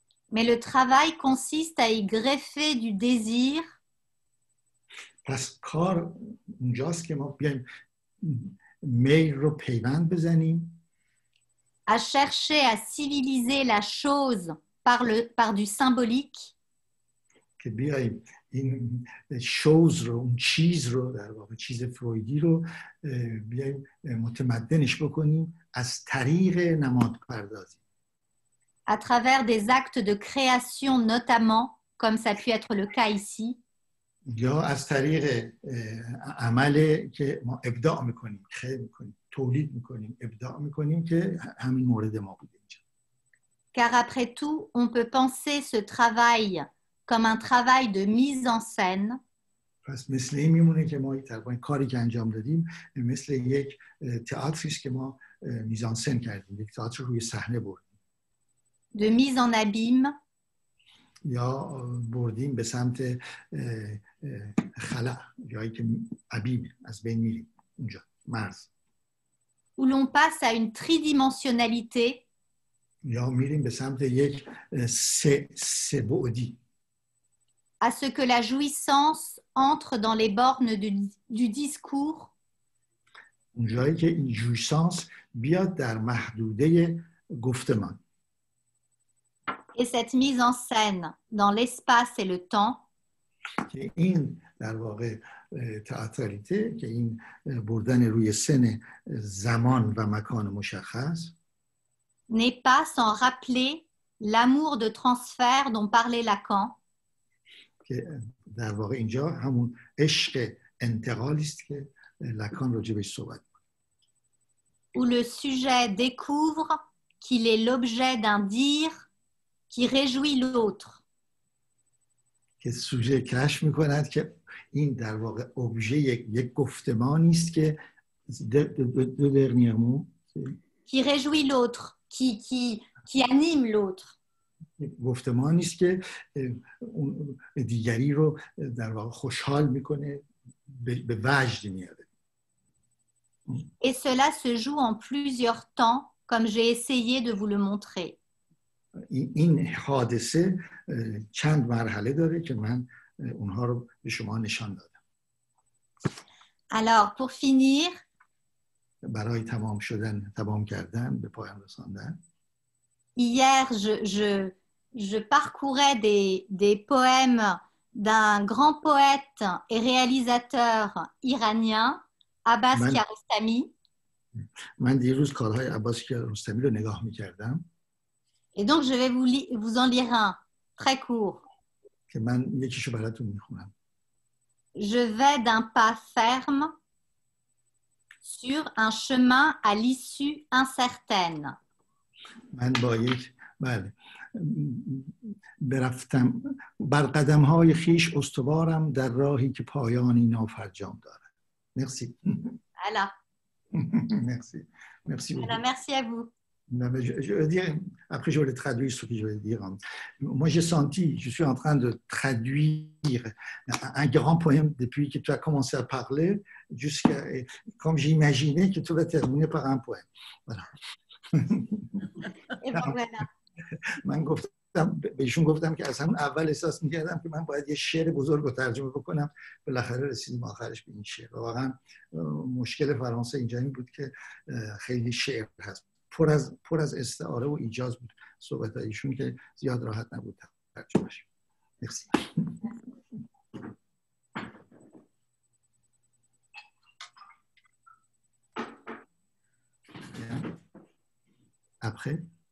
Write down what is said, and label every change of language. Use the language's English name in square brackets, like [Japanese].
[French] Mais le travail consiste à y greffer du désir. [Persian] پس کار اونجاست که ما بیایم میل رو پیوند بزنیم [French] à chercher à civiliser la chose par du symbolique [Persian] که بیایم این شوز رو اون چیز رو در واقع چیز فرویدی رو بیایم متمدنش بکنیم از طریق نمادپردازی [French] à travers des actes de création notamment comme ça a pu être le cas ici [Persian] یا از طریق عمل که ما ابداع میکنیم خیلی میکنیم تولید میکنیم ابداع میکنیم که همین مورد ما بوده اینجا [French] car après tout on peut penser ce travail comme un travail de mise en scène [Persian] پس مثل این میمونه که ما در واقع کاری که انجام دادیم مثل یک تئاتری است که ما میزانسن کردیم یک تئاتر روی صحنه بردیم [French] de mise en abîme [Persian] یا بردیم به سمت خلا جایی که ابیم از بین میریم اونجا مرز [French] où l'on passe à une tridimensionnalité [Persian] یا میریم به سمت یک سه بعدی [French] à ce que la jouissance entre dans les bornes du discours. [Persian] اونجایی که این جویسانس بیاد در محدوده گفتمان. [French] Et cette mise en scène dans l'espace et le temps. [Persian] که این در واقع تئاتریته که این بردن روی سن زمان و مکان مشخص. [French] N'est pas sans rappeler l'amour de transfert dont parlait Lacan. [Persian] که در واقع اینجا همون عشق انتقالی است که لکان راجع بهش صحبت می‌کنه. [French] Où le sujet découvre qu'il est l'objet d'un dire qui réjouit l'autre. [Persian] که سوژه کشف می‌کند که این در واقع ابژه یک گفتمانی است که دو [French] dernier mot qui réjouit l'autre, qui anime l'autre. [Persian] گفتمانی است که اون دیگری رو در واقع خوشحال میکنه به وجد میاره. [French] Et cela se joue en plusieurs temps comme j'ai essayé de vous le montrer. [Persian] این حادثه چند مرحله داره که من اونها رو به شما نشان دادم. [French] Alors pour finir [Persian] برای تمام شدن تمام کردن به پایان رساندن. [French] Hier je parcourais des poèmes d'un grand poète et réalisateur iranien, Abbas Kiarostami. [Persian] من دیروز کارهای عباس کیارستمی رو نگاه می‌کردم. [French] Et donc je vais vous en lire un très court. [Persian] که من یکیشو براتون می‌خونم. [French] Je vais d'un pas ferme sur un chemin à l'issue incertaine. [Persian] من با یک بله برفتم بر قدم های خیش استوارم در راهی که پایانی نافرجام داره. مرسی. الا. مرسی. مرسی. [French] الا مرسی à vous. Non mais après je vais traduire ce que je vais dire. Moi j'ai senti, je suis en train de traduire un grand poème depuis que tu as commencé à parler jusqu'à comme j'imaginais que tu vas terminer par un poème. Voilà. Et voilà. [Persian] من گفتم بهشون گفتم که از همون اول احساس می‌کردم که من باید یه شعر بزرگ رو ترجمه بکنم بالاخره رسیدم آخرش به این شعر واقعا مشکل فرانسه اینجا این بود که خیلی شعر هست پر از استعاره و ایجاز بود صحبت هایشون که زیاد راحت نبود ترجمه‌اش مرسی [French] après